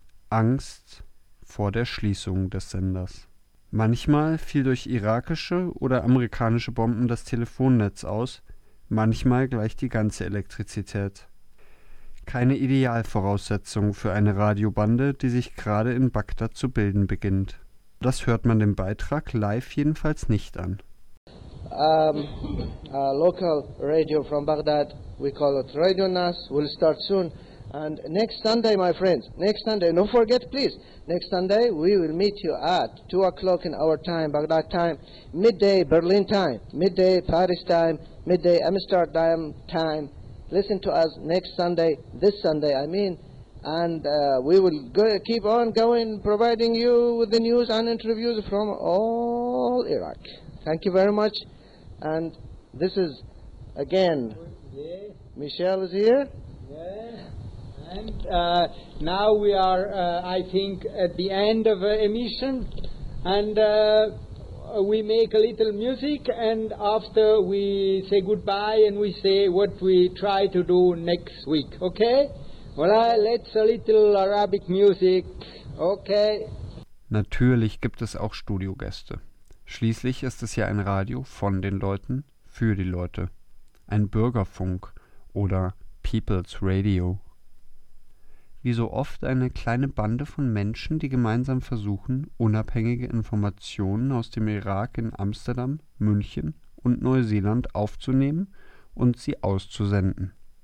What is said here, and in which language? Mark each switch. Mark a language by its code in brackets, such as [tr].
[de] Angst vor der Schließung des Senders. Manchmal fiel durch irakische oder amerikanische Bomben das Telefonnetz aus, manchmal gleich die ganze Elektrizität. Keine Idealvoraussetzung für eine Radiobande, die sich gerade in Bagdad zu bilden beginnt. Das hört man dem Beitrag live jedenfalls nicht an. [en] A local radio from Baghdad, we call it Radio Nas, will start soon. And next Sunday, my friends, next Sunday, don't forget, please, next Sunday we will meet you at 2 o'clock in our time, Baghdad time, midday Berlin time, midday Paris time, midday Amsterdam time. Listen to us next Sunday, this Sunday, I mean, And we will keep on going, providing you with the news and interviews from all Iraq. Thank you very much. And this is, again, yes. Michelle is here. Yes. And now we are, I think, at the end of a mission. And we make a little music. And after we say goodbye and we say what we try to do next week. Okay? Well, let's a little Arabic music, okay? [de] Natürlich gibt es auch Studiogäste. Schließlich ist es ja ein Radio von den Leuten für die Leute. Ein Bürgerfunk oder People's Radio. Wie so oft eine kleine Bande von Menschen, die gemeinsam versuchen, unabhängige Informationen aus dem Irak in Amsterdam, München und Neuseeland aufzunehmen und sie auszusenden.